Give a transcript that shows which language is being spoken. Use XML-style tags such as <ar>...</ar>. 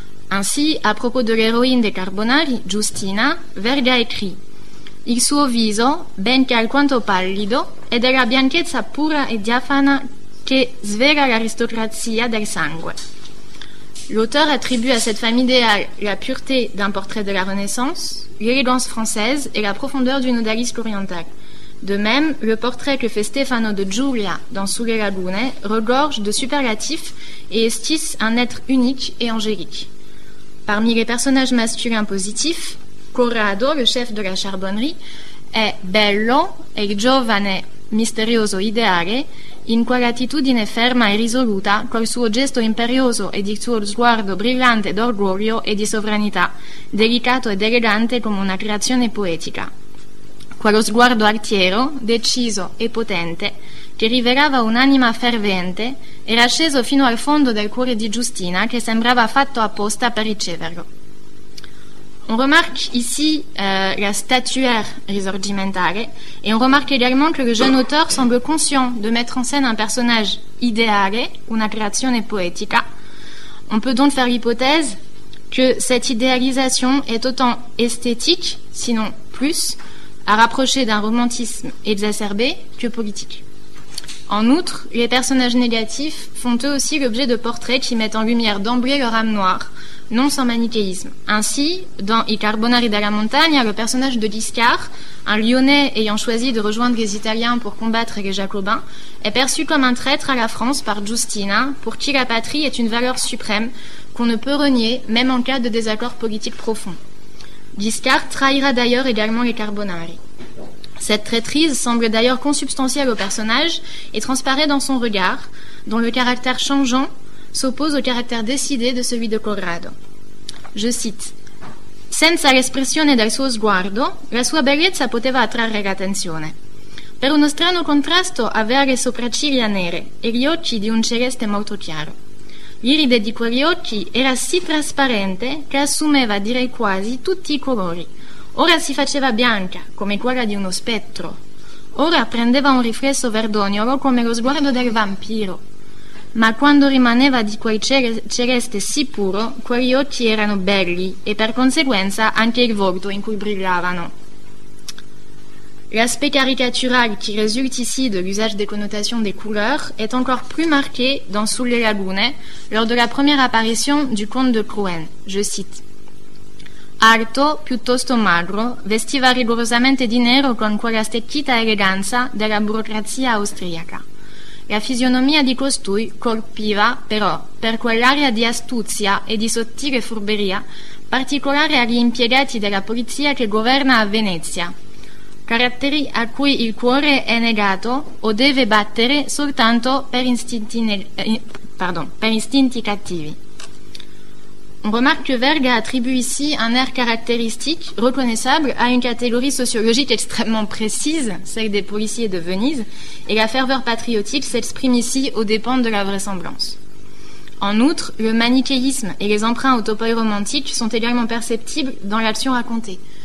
<fr>Ainsi, à propos de l'héroïne des Carbonari, Giustina, Verga écrit «</fr> <it>Il suo viso, benché alquanto pallido, è della bianchezza pura e diafana che svega l'aristocrazia del sangue.</it> <fr>» L'auteur attribue à cette femme idéale la pureté d'un portrait de la Renaissance, l'élégance française et la profondeur d'une odalisque orientale. De même, le portrait que fait Stefano de Giulia dans Sulle Lagune regorge de superlatifs et esquisse un être unique et angélique. Parmi les personnages masculins positifs, Corrado, le chef de la charbonnerie, est</fr> <it>bello e giovane, misterioso ideale, in quell'attitudine ferma e risoluta, col suo gesto imperioso ed il suo sguardo brillante d'orgoglio e di sovranità, delicato ed elegante come una creazione poetica. quello sguardo altiero, deciso e potente, che rivelava un'anima fervente, era sceso fino al fondo del cuore di Giustina, che sembrava fatto apposta per riceverlo.</it> <fr>On remarque ici la statuaire risorgimentale, et on remarque également que le jeune auteur semble conscient de mettre en scène un personnage</fr> <it>ideale, una creazione poetica.</it> <fr>On peut donc faire l'hypothèse que cette idéalisation est autant esthétique, sinon plus, à rapprocher d'un romantisme exacerbé que politique. En outre, les personnages négatifs font eux aussi l'objet de portraits qui mettent en lumière d'emblée leur âme noire, non sans manichéisme. Ainsi, dans I Carbonari della Montagna, le personnage de Liscard, un Lyonnais ayant choisi de rejoindre les Italiens pour combattre les Jacobins, est perçu comme un traître à la France par Giustina, pour qui la patrie est une valeur suprême qu'on ne peut renier, même en cas de désaccord politique profond. Liscard trahira d'ailleurs également les Carbonari. Cette traîtrise semble d'ailleurs consubstantielle au personnage et transparaît dans son regard, dont le caractère changeant s'oppose au caractère décidé de celui de Corrado. Je cite</fr> <it>« Senza l'espressione del suo sguardo, la sua bellezza poteva attrarre l'attenzione. Per uno strano contrasto aveva le sopracciglia nere e gli occhi di un celeste molto chiaro. L'iride di quegli occhi era sì trasparente che assumeva, direi quasi, tutti i colori. Ora si faceva bianca, come quella di uno spettro. Ora prendeva un riflesso verdognolo come lo sguardo del vampiro. Ma quando rimaneva di quel celeste sì puro, quegli occhi erano belli e per conseguenza anche il volto in cui brillavano.</it> <fr>L'aspect caricatural qui résulte ici de l'usage des connotations des couleurs est encore plus marqué dans Sous les lagunes, lors de la première apparition du comte de Cruen. Je cite.</fr> <it>Alto, piuttosto magro, vestiva rigorosamente di nero con quella stecchita eleganza della burocrazia austriaca. La fisionomia di costui colpiva, però, per quell'aria di astuzia e di sottile furberia, particolare agli impiegati della polizia che governa a Venezia, caratteri a cui il cuore è negato o deve battere soltanto per istinti cattivi.</it> <fr>On remarque que Verga attribue ici un air caractéristique reconnaissable à une catégorie sociologique extrêmement précise, celle des policiers de Venise, et la ferveur patriotique s'exprime ici aux dépens de la vraisemblance. En outre, le manichéisme et les emprunts au topoï romantique sont également perceptibles dans l'action racontée.</fr>